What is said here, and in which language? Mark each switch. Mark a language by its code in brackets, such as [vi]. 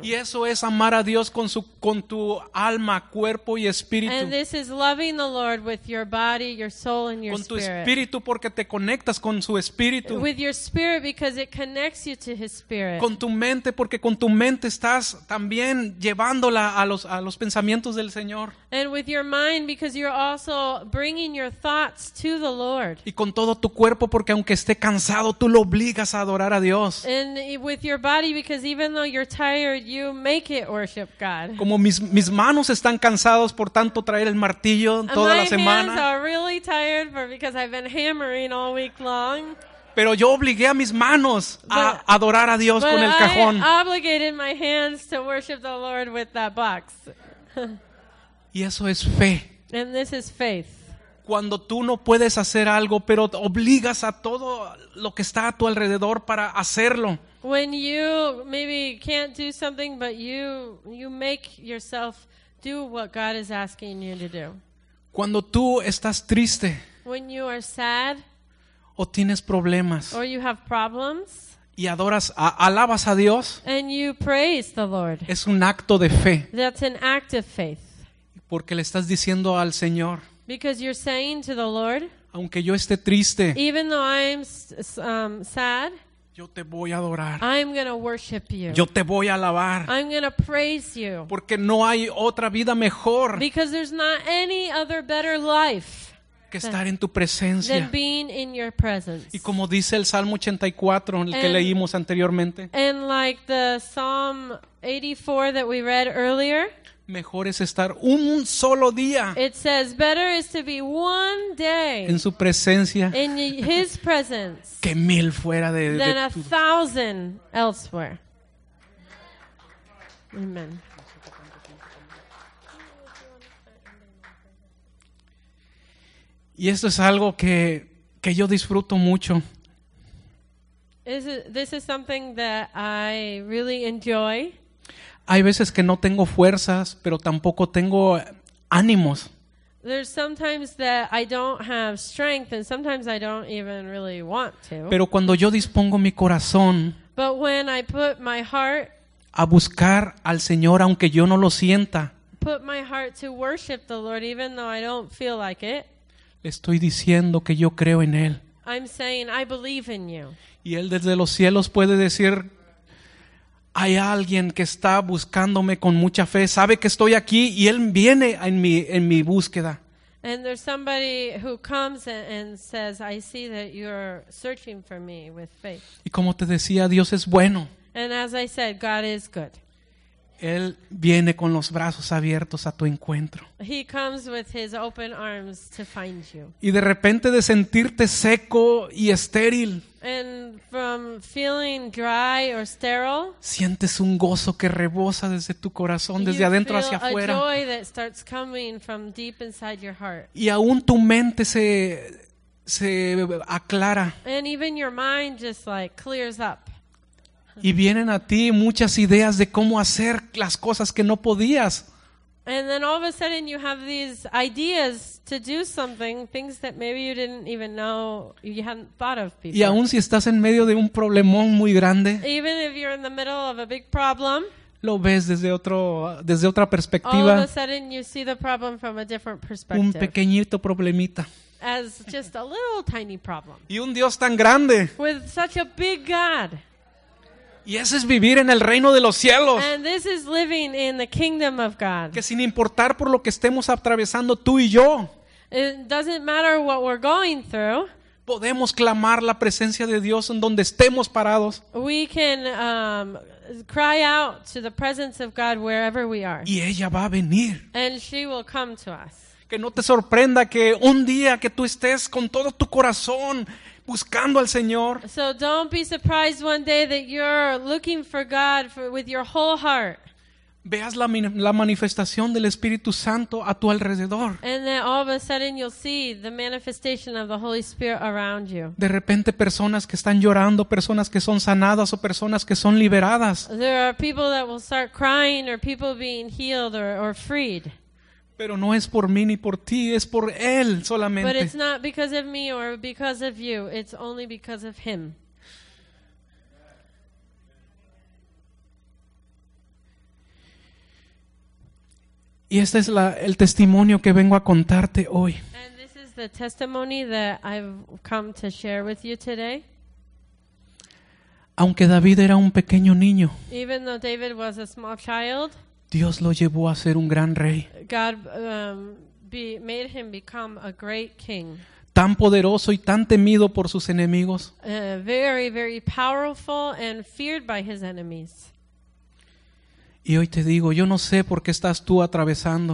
[es] Y eso es amar a Dios con tu alma, cuerpo y espíritu. [en] And this is loving the Lord with your body, your soul, and your spirit. [es] Con tu espíritu porque te conectas con su espíritu. [en] With your spirit because it connects you to his spirit. [es] Con tu mente porque con tu mente estás también llevándola a los pensamientos del Señor. [en] And with your mind because you're also bringing your thoughts to the Lord. [es] Y con todo tu cuerpo porque aunque esté cansado, tú lo obligas a adorar a Dios. [en] And with your body, because even though you're tired, you make it worship God. [es] Como mis manos están cansados por tanto traer el martillo toda la semana. [en] My hands are really tired because I've been hammering all week long. [es] Pero yo obligué a mis manos a adorar a Dios con el cajón. [en] But I obligated my hands to worship the Lord with that box. [es] Y eso es fe. [en] And this is faith. [es] Cuando tú no puedes hacer algo, pero obligas a todo lo que está a tu alrededor para hacerlo. [en] When you maybe can't do something, but you make yourself do what God is asking you to do. [es] Cuando tú estás triste. [en] When you are sad. [es] O tienes problemas. [en] Or you have problems. [es] Y adoras, alabas a Dios. [en] And you praise the Lord. [es] Es un acto de fe. [en] That's an act of faith. [es] Porque le estás diciendo al Señor. [en] Because you're saying to the Lord, [es] aunque yo esté triste, [en] even though I'm sad, [es] yo te voy a adorar. [en] I'm going to worship you. [es] Yo te voy a alabar. [en] I'm going to praise you. [es] Porque no hay otra vida mejor. [en] Because there's not any other better life [es] que estar en tu presencia. [en] Than being in your presence. [es] Y como dice el Salmo 84, el que leímos anteriormente. [en] And like the Psalm 84 that we read earlier. [es] Mejor es estar un solo día. [en] It says better is to be one day [es] en su presencia. [en] In his presence. [es] Que mil fuera de él. [en] Than a thousand elsewhere. Amen. [es] Y esto es algo que yo disfruto mucho. [en] This is something that I really enjoy. [es] Hay veces que no tengo fuerzas, pero tampoco tengo ánimos. [en] There's sometimes that I don't have strength and sometimes I don't even really want to. [es] Pero cuando yo dispongo mi corazón, [en] but when I put my heart [es] a buscar al Señor aunque yo no lo sienta, [en] put my heart to worship the Lord even though I don't feel like it. [es] Estoy diciendo que yo creo en Él. [en] I'm saying I believe in you. [es] Y Él desde los cielos puede decir, hay alguien que está buscándome con mucha fe, sabe que estoy aquí y Él viene en mi búsqueda. [en] And there's somebody who comes and says, I see that you're searching for me with faith. [es] Y como te decía, Dios es bueno. [en] And as I said, God is good. [es] Él viene con los brazos abiertos a tu encuentro. [en] He comes with his open arms to find you. [es] Y de repente de sentirte seco y estéril, [en] and from feeling dry or sterile, [es] sientes un gozo que rebosa desde tu corazón, desde adentro hacia afuera. [en] You feel a joy that starts coming from deep inside your heart. [es] Y aún tu mente se aclara. [en] And even your mind just like clears up. [es] Y vienen a ti muchas ideas de cómo hacer las cosas que no podías. [en] And then all of a sudden you have these ideas to do something, things that maybe you didn't even know, you hadn't thought of before. [es] Y aun si estás en medio de un problemón muy grande, [en] even if you're in the middle of a big problem, [es] lo ves desde otra perspectiva. [en] All of a sudden you see the problem from a different perspective. [es] Un pequeñito problemita. [en] As just a little tiny problem. [es] Y un Dios tan grande. [en] With such a big God. [es] Y eso es vivir en el reino de los cielos. [en] And this is living in the kingdom of God. [es] Que sin importar por lo que estemos atravesando tú y yo, [en] it doesn't matter what we're going through, [es] podemos clamar la presencia de Dios en donde estemos parados. [en] We can cry out to the presence of God wherever we are. [es] Y ella va a venir. [en] And she will come to us. [es] Que no te sorprenda que un día que tú estés con todo tu corazón buscando al Señor. [en] So don't be surprised one day that you're looking for God with your whole heart. [es] Veas la manifestación del Espíritu Santo a tu alrededor. [en] And then all of a sudden you'll see the manifestation of the Holy Spirit around you. [es] De repente personas que están llorando, personas que son sanadas o personas que son liberadas. [en] There are people that will start crying or people being healed or freed. [es] Pero no es por mí ni por ti, es por Él solamente. [en] But it's not because of me or because of you, it's only because of Him. [es] Y este es el testimonio que vengo a contarte hoy. [en] And this is the testimony that I've come to share with you today. [es] Aunque David era un pequeño niño, [en] even though David was a small child, [es] Dios lo llevó a ser un gran rey. [en] God made him become a great king. [es] Tan poderoso y tan temido por sus enemigos. [en] Very, very powerful and feared by his enemies. [es] Y hoy te digo, yo no sé por qué estás tú atravesando.